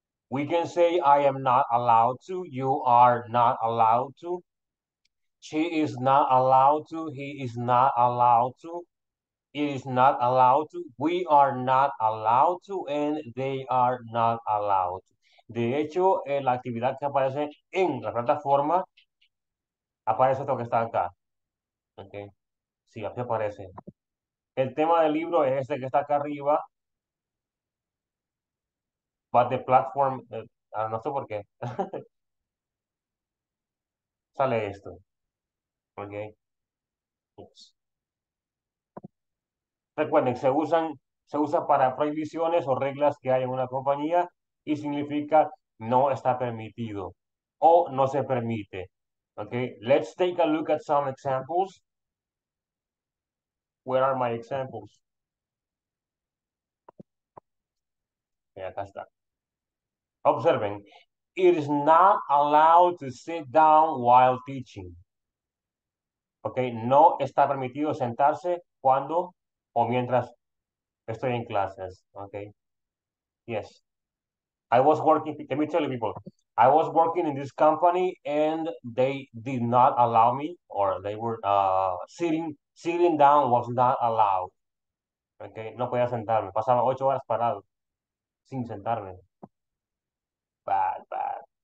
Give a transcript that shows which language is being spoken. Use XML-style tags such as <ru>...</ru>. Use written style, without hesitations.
<en>We can say, I am not allowed to, you are not allowed to. She is not allowed to, he is not allowed to, it is not allowed to, we are not allowed to, and they are not allowed.</en> <es>De hecho, en la actividad que aparece en la plataforma, aparece esto que está acá. Okay. Sí, aquí aparece. El tema del libro es este que está acá arriba.</es> <en>But the platform,</en> <es>no sé por qué. Sale esto. Okay. Yes. Recuerden, se usa para prohibiciones o reglas que hay en una compañía y significa no está permitido o no se permite. Okay,</es> <en>let's take a look at some examples. Where are my examples? Yeah, that's that. Observing. It is not allowed to sit down while teaching.</en> <es>Okay, no está permitido sentarse cuando o mientras estoy en clases.</es> <en>Okay. Yes. I was working, let me tell you people, I was working in this company and they did not allow me, or they were sitting down was not allowed.</en> <es>Okay, no podía sentarme. Pasaba 8 horas parado sin sentarme.</es> <en>Bad, bad.</en>